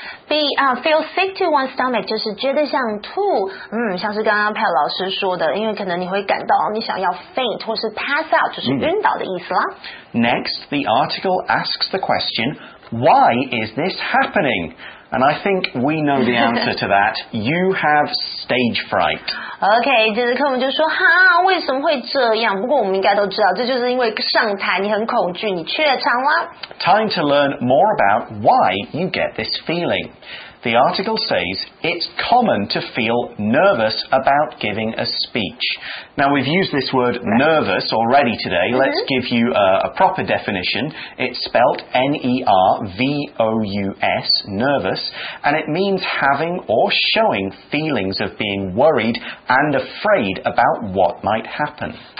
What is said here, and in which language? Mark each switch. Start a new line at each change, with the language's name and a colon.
English: Feel sick to one's stomach
Chinese: 就是觉得想吐、像是刚刚 Pat 老师说的因为可能你会感到你想要 faint 或是
English: pass out
Chinese: 就是晕倒的意思啦、
English: Next, the article asks the question Why is this happening? And I think we know the answer to that You have stage fright
Chinese: OK, 这次课文就说哈，为什么会这样不过我们应该都知道这就是因为上台你很恐惧你怯场啦
English: Time to learn more about why you get this feeling The article says It's common to feel nervous about giving a speech Now we've used this word nervous already today、 Let's give you a proper definition It's spelt N-E-R-V-O-U-S Nervous And it means having or showing feelings of being worried And afraid about what might happen